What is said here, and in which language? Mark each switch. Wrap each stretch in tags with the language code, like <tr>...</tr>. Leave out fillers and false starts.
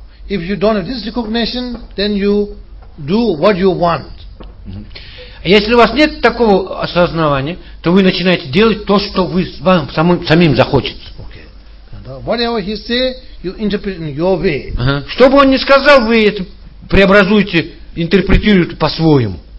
<en>If you don't have this recognition, then you do what you want.</en> <ru>Если у вас нет такого осознавания, то вы начинаете делать то, что вы вам самим захочется.</ru> <en>Okay. Whatever he say, you interpret in your way.</en> <ru>Что бы он ни сказал, вы это преобразуете, интерпретируете по-своему.</ru>